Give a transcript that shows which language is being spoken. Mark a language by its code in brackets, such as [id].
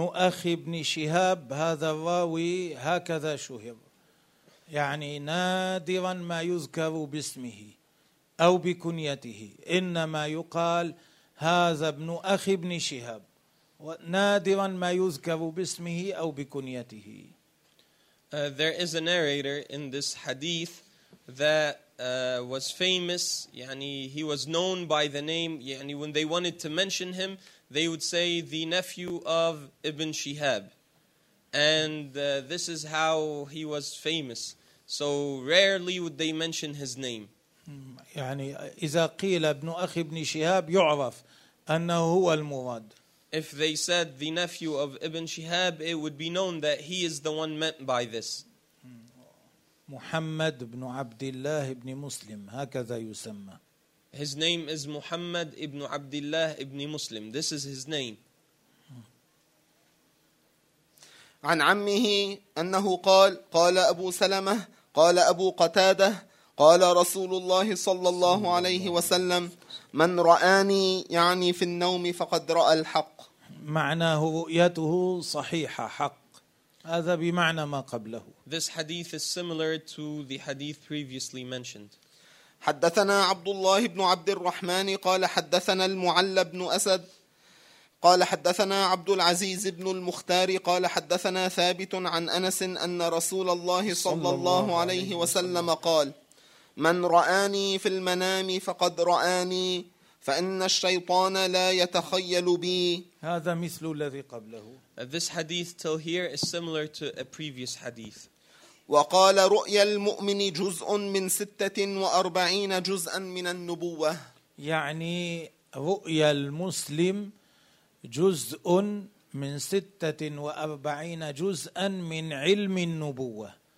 [ar] ابن أخي ابن شهاب هذا الراوي هكذا شهر يعني نادرا ما يذكر باسمه أو بكنيته إنما يقال هذا ابن أخي ابن شهاب نادرا ما يذكر باسمه أو بكنيته. [en] There is a narrator in this hadith that was famous, يعني he was known by the name, يعني when they wanted to mention him they would say the nephew of Ibn Shihab. And this is how he was famous. So rarely would they mention his name. [ar] يعني إذا قيل ابن أخي ابن شهاب يعرف أنه هو المراد. [en] If they said the nephew of Ibn Shihab, it would be known that he is the one meant by this. [ar] محمد بن عبد الله بن مسلم هكذا يسمى. [en] His name is Muhammad ibn Abdullah ibn Muslim. This is his name. [ar] عن عمه أنه قال قال أبو سلمة قال أبو قتادة قال رسول الله صلى الله عليه وسلم من رآني يعني في النوم فقد رأى الحق. معناه رؤيته صحيحة حق. هذا بمعنى ما قبله. [en] This hadith is similar to the hadith previously mentioned. [ar] حدثنا عبد الله بن عبد الرحمن قال حدثنا المعلى بن أسد قال حدثنا عبد العزيز بن المختار قال حدثنا ثابت عن أنس أن رسول الله صلى الله عليه وسلم قال من رآني في المنام فقد رآني فإن الشيطان لا يتخيل بي. هذا مثل الذي قبله. [en] This hadith till here is similar to a previous hadith. [ar] وقال رؤيا المؤمن جزء من 46 جزءا من النبوة. يعني رؤيا المسلم جزء من 46 جزءا من علم النبوة.